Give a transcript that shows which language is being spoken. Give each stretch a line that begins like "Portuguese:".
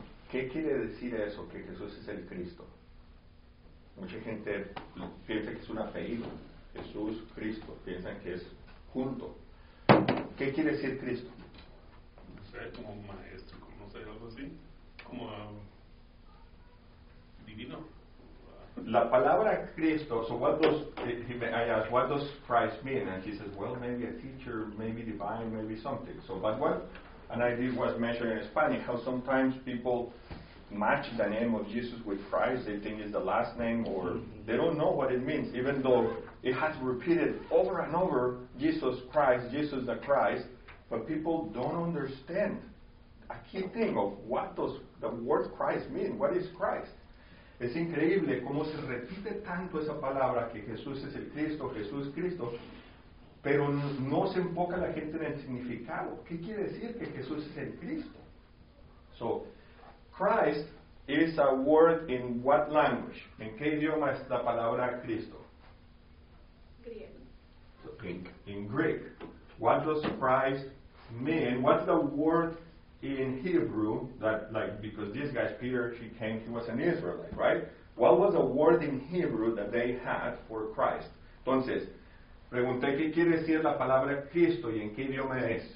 Spanish: ¿Qué quiere decir eso, que Jesús es el Cristo? Mucha gente piensa que es un apellido, Jesús, Cristo, piensan que es junto. ¿Qué quiere decir Cristo? No sé, como un maestro, como no sé, algo así, como divino. La palabra Cristo,
English: so what does, I ask, what does Christ mean? And he says, well, maybe a teacher, maybe divine, maybe something. So, but what? And I did was mention in Spanish how sometimes people match the name of Jesus with Christ. They think it's the last name, or they don't know what it means, even though it has repeated over and over, Jesus Christ, Jesus the Christ. But people don't understand a key thing of what does the word Christ mean. What is Christ?
Spanish: Es increíble cómo se repite tanto esa palabra, que Jesús es el Cristo, Jesús Cristo. Pero no se enfoca la gente en el significado. ¿Qué quiere decir que Jesús es el Cristo?
English: So, Christ is a word in what language?
Spanish: ¿En qué idioma es la palabra Cristo? Griego.
English: So, in Greek. What does Christ mean? What's the word in Hebrew, that like, because these guys, Peter, she came, he was an Israelite, right? What was the word in Hebrew that they had for Christ?
Spanish: Entonces, pregunté qué quiere decir la palabra Cristo y en qué idioma es.